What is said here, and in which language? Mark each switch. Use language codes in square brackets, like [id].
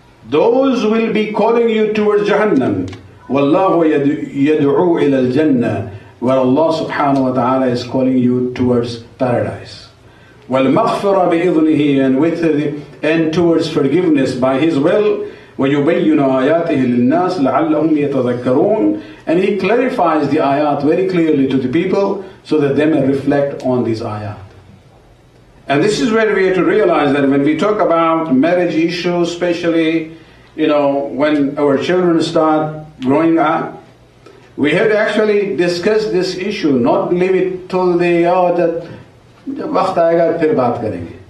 [en] Those will be calling you towards Jahannam. [ar] والله يدعو إلى الجنة. [en] Where Allah سبحانه وتعالى is calling you towards paradise. [ar] والمغفرة بإذنه [en] and towards forgiveness by His will. [ar] ويبين آياته للناس لعلهم يتذكرون. [en] And He clarifies the ayat very clearly to the people so that they may reflect on these ayat. And this is where we have to realize that when we talk about marriage issues, especially, you know, when our children start growing up, we have to actually discuss this issue, not leave it till the hour that [ur] وقت آئے گا پھر بات کریں گے.